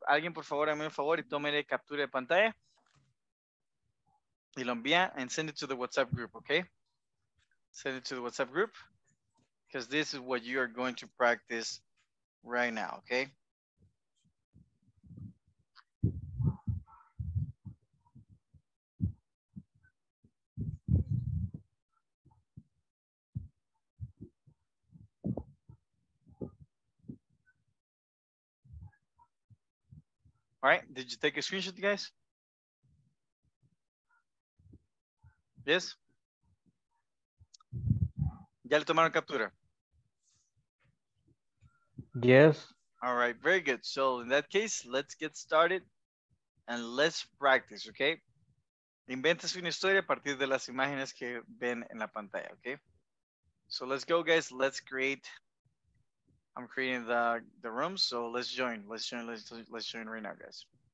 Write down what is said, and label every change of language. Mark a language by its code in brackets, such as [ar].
[es] Alguien, por favor, hágame un favor y tome captura de pantalla. Y lo envía [en] and send it to the WhatsApp group, okay? Send it to the WhatsApp group because this is what you are going to practice right now, okay? All right, did you take a screenshot, guys? Yes? [es] ¿Ya le tomaron captura? [en] Yes. All right, very good. So in that case, let's get started and let's practice, okay? [es] Inventes una historia a partir de las imágenes que ven en la pantalla, okay? [en] So let's go, guys, let's create. I'm creating the room, so let's join. Let's join right now, guys.